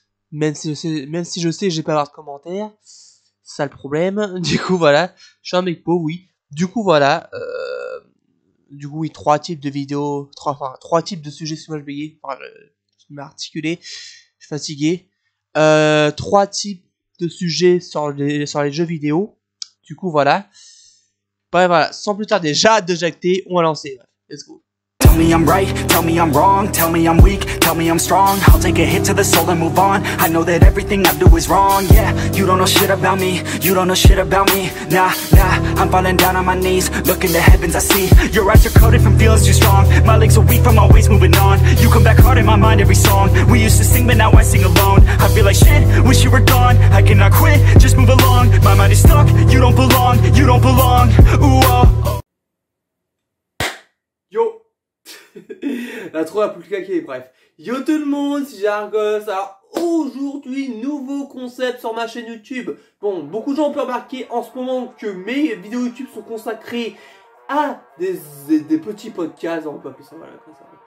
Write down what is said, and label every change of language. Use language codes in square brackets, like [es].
[fr] Même si je sais, j'ai pas avoir de commentaires. Ça le problème, du coup voilà, je suis un mec pauvre, oui, du coup voilà, du coup oui, trois types de vidéos, trois types de sujets, si moi je bégaye, enfin, je m'articulais, je suis fatigué, trois types de sujets sur les jeux vidéo, du coup voilà, bref voilà, sans plus tarder, j'ai hâte de jacter, on va lancer, [en] let's go. Tell me I'm right, tell me I'm wrong, tell me I'm weak, tell me I'm strong. I'll take a hit to the soul and move on. I know that everything I do is wrong, yeah. You don't know shit about me, you don't know shit about me. Nah, nah, I'm falling down on my knees. Look in the heavens, I see. Your eyes are coated from feelings too strong. My legs are weak from always moving on. You come back hard in my mind every song. We used to sing but now I sing alone. I feel like shit, wish you were gone. I cannot quit, just move along. My mind is stuck, you don't belong, you don't belong. Ooh, oh. [fr] La trop la plus claquée, bref. Yo tout le monde, c'est Jargos. Alors aujourd'hui, nouveau concept sur ma chaîne YouTube. Bon, beaucoup de gens ont pu remarquer en ce moment que mes vidéos YouTube sont consacrées à des petits podcasts. On peut appeler ça, voilà, comme ça.